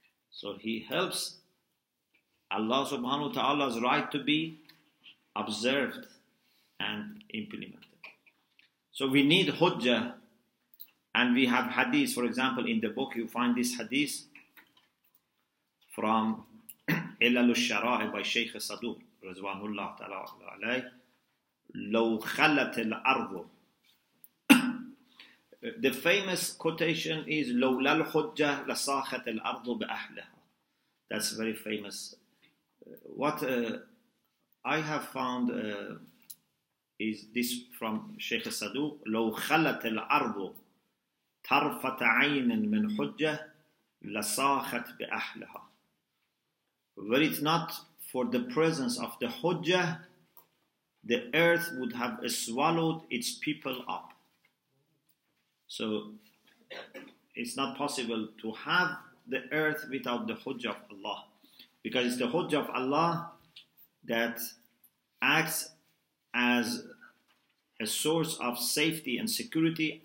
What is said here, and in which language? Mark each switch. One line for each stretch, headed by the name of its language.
English: So he helps Allah subhanahu wa ta'ala's right to be observed and implemented. So we need Hujjah, and we have hadith. For example, in the book you find this hadith from Ilal al-Shara'i by Shaykh Sadu.
Arabic: رضوان الله تعالى عليه لو خلت الأرض.
English: The famous quotation is
Arabic: لو لا الحجة لصاخت الأرض بأهلها.
English: That's very famous. What I have found is this from Sheikh Saduq.
Arabic: لو خلت الأرض طرفة عين من حجة لصاخت بأهلها.
English: Were it not for the presence of the Hujjah, the earth would have swallowed its people up. So it's not possible to have the earth without the Hujjah of Allah, because it's the Hujjah of Allah that acts as a source of safety and security.